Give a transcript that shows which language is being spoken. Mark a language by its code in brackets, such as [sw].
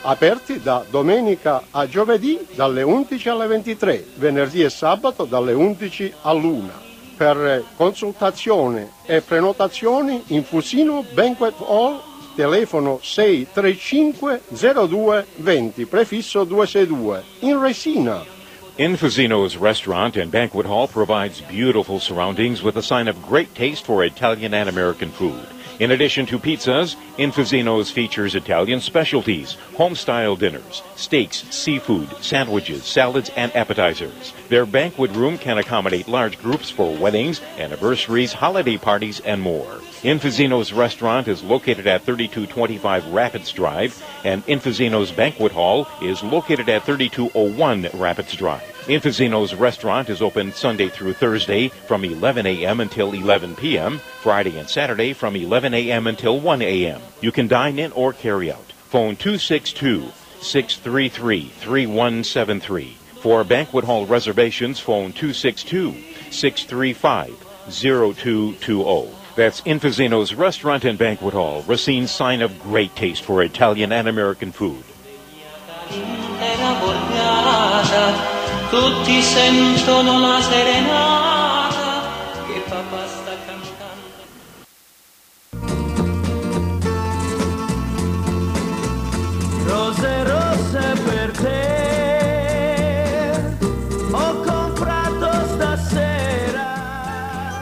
[it] Aperti da domenica a giovedì dalle 11 alle 23, venerdì e sabato dalle 11 all'1. Per consultazione e prenotazioni, Infusino Banquet Hall, telefono 635-0220, prefisso 262, in Resina. [en] Infusino's restaurant and banquet hall provides beautiful surroundings with a sign of great taste for Italian and American food. In addition to pizzas, Infusino's features Italian specialties, home-style dinners, steaks, seafood, sandwiches, salads, and appetizers. Their banquet room can accommodate large groups for weddings, anniversaries, holiday parties, and more. Infusino's restaurant is located at 3225 Rapids Drive, and Infusino's banquet hall is located at 3201 Rapids Drive. Infusino's restaurant is open Sunday through Thursday from 11 a.m. until 11 p.m., Friday and Saturday from 11 a.m. until 1 a.m. You can dine in or carry out. Phone 262-633-3173. For banquet hall reservations, phone 262-635-0220. That's Infusino's restaurant and banquet hall, Racine's sign of great taste for Italian and American food. [it] Tutti sentono la serenata che papà sta cantando. Rose rosse per te ho comprato stasera.